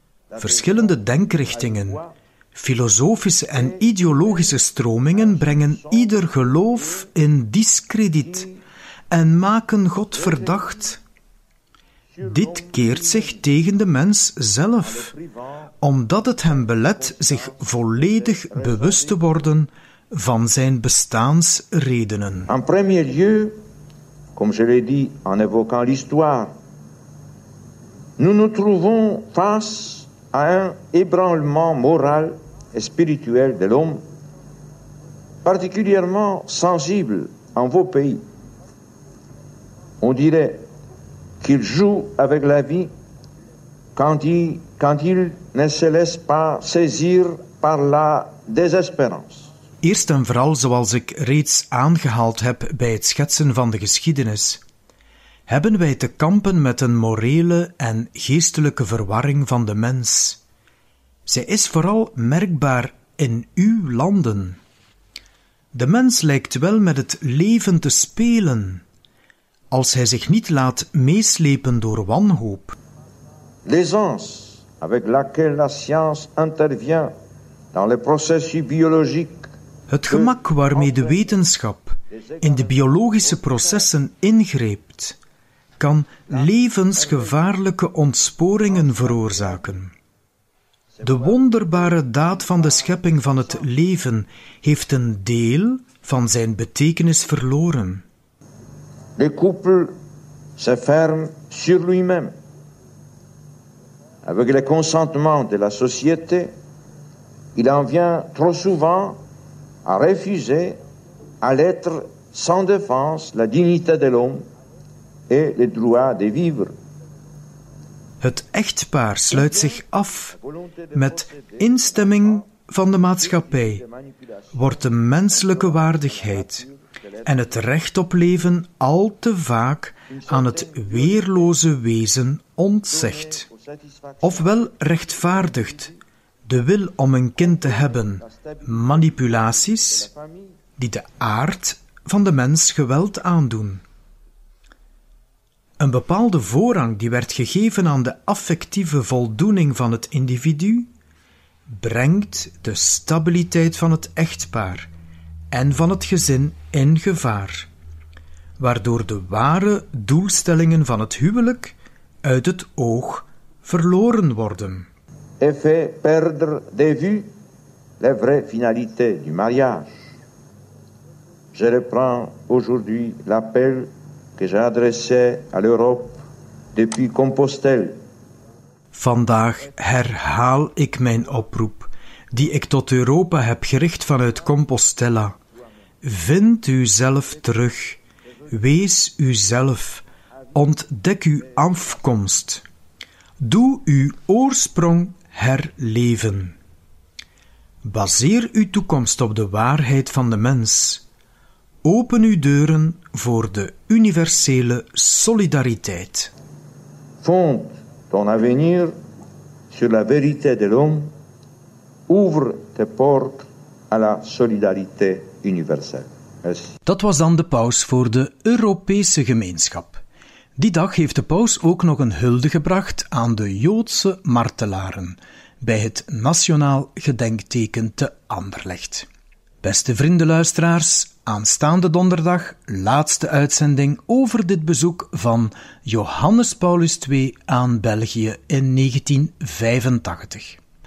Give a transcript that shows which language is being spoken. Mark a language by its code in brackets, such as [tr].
[nl] Verschillende denkrichtingen, filosofische en ideologische stromingen brengen ieder geloof in discrediet en maken God verdacht. Dit keert zich tegen de mens zelf, omdat het hem belet zich volledig bewust te worden van zijn bestaansredenen. [fr] En premier lieu, comme je l'ai dit en évoquant l'histoire, nous nous trouvons face à un ébranlement moral et spirituel de l'homme, particulièrement sensible en vos pays. On dirait qu'il joue avec la vie quand il ne se laisse pas saisir par la désespérance. [nl] Eerst en vooral, zoals ik reeds aangehaald heb bij het schetsen van de geschiedenis, hebben wij te kampen met een morele en geestelijke verwarring van de mens. Zij is vooral merkbaar in uw landen. De mens lijkt wel met het leven te spelen, als hij zich niet laat meeslepen door wanhoop. [fr] L'aisance avec laquelle la science intervient dans les processus biologiques. [nl] Het gemak waarmee de wetenschap in de biologische processen ingreept, kan levensgevaarlijke ontsporingen veroorzaken. De wonderbare daad van de schepping van het leven heeft een deel van zijn betekenis verloren. De koepel [fr] se ferme sur lui-même. Avec le consentement de la société, il en vient trop souvent à refuser à l'être sans défense la dignité de l'homme et le droit de vivre. [nl] Het echtpaar sluit zich af. Met instemming van de maatschappij wordt de menselijke waardigheid en het recht op leven al te vaak aan het weerloze wezen ontzegd. Ofwel rechtvaardigt de wil om een kind te hebben manipulaties die de aard van de mens geweld aandoen. Een bepaalde voorrang die werd gegeven aan de affectieve voldoening van het individu, brengt de stabiliteit van het echtpaar en van het gezin in gevaar, waardoor de ware doelstellingen van het huwelijk uit het oog verloren worden. [fr] Et fait perdre de vue la vraie finalité du mariage. Je reprends aujourd'hui l'appel que j'ai adressé à l'Europe depuis Compostelle. [nl] Vandaag herhaal ik mijn oproep, die ik tot Europa heb gericht vanuit Compostella, Vind uzelf terug, wees uzelf, ontdek uw afkomst, doe uw oorsprong herleven. Baseer uw toekomst op de waarheid van de mens. Open uw deuren voor de universele solidariteit. [fr] Fond ton avenir sur la vérité de l'homme. Ouvre tes portes à la solidarité universelle. Merci. [nl] Dat was dan de paus voor de Europese gemeenschap. Die dag heeft de paus ook nog een hulde gebracht aan de Joodse martelaren bij het Nationaal Gedenkteken te Anderlecht. Beste vriendenluisteraars, aanstaande donderdag, laatste uitzending over dit bezoek van Johannes Paulus II aan België in 1985.